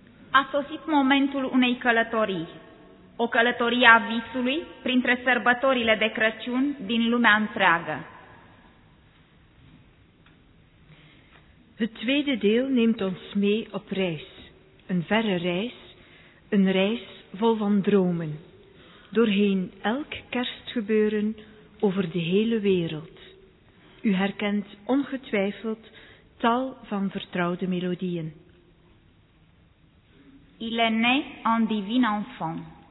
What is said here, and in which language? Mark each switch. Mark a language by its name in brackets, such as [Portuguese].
[Romanian] a sosit momentul unei călătorii. O călătorie a visului printre sărbătorile de Crăciun din lumea întreagă. [Dutch] Het tweede deel neemt ons mee op reis. Een verre reis, een reis vol van dromen. Doorheen elk kerstgebeuren over de hele wereld. U herkent ongetwijfeld tal van vertrouwde melodieën. [French] Il est né un divin enfant.